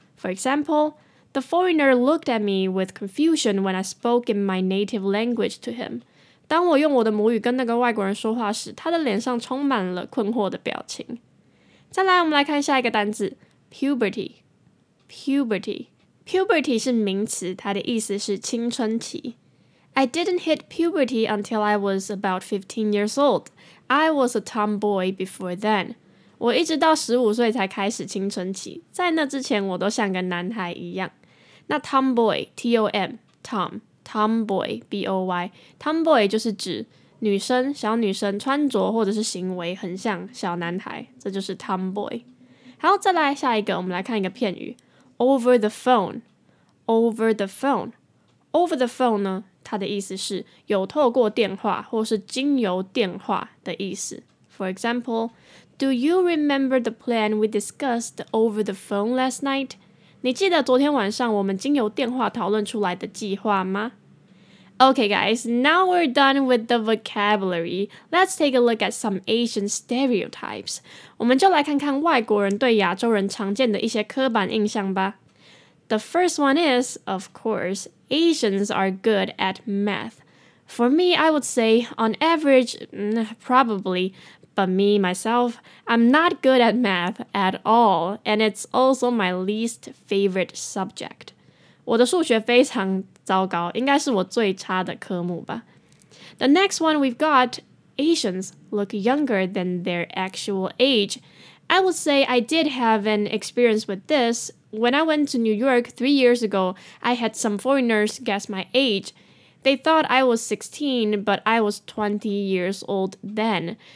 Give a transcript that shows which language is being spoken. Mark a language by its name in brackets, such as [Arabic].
[English] For example, the foreigner looked at me with confusion when I spoke in my native language to him. [Chinese] 当我用我的母语跟那个外国人说话时，他的脸上充满了困惑的表情。再来，我们来看下一个单字 ，puberty。puberty。 puberty 是名词，它的意思是青春期。 [English] I didn't hit puberty until I was about 15 years old. I was a tomboy before then. [Chinese] 我一直到15岁才开始青春期，在那之前我都像个男孩一样。那 tomboy, T-O-M, Tom, tomboy, B-O-Y, tomboy 就是指女生、小女生穿着或者是行为很像小男孩，这就是 tomboy。好，再来下一个，我们来看一个片语 ，over the phone, over the phone, over the phone 呢？它的意思是有透过电话或是经由电话的意思。 [English] For example, do you remember the plan we discussed over the phone last night? [Chinese] 你记得昨天晚上我们经由电话讨论出来的计划吗？ [English] Okay guys, now we're done with the vocabulary. Let's take a look at some Asian stereotypes. [Chinese] 我们就来看看外国人对亚洲人常见的一些刻板印象吧。 [English] The first one is, of course, Asians are good at math. For me, I would say, on average, probably, but me, myself, I'm not good at math at all, and it's also my least favorite subject. [Chinese] 我的数学非常糟糕，应该是我最差的科目吧。 [English] The next one we've got, Asians look younger than their actual age. I would say I did have an experience with this,When I went to New York 3 years ago, I had some foreigners guess my age. They thought I was 16, but I was 20 years old then.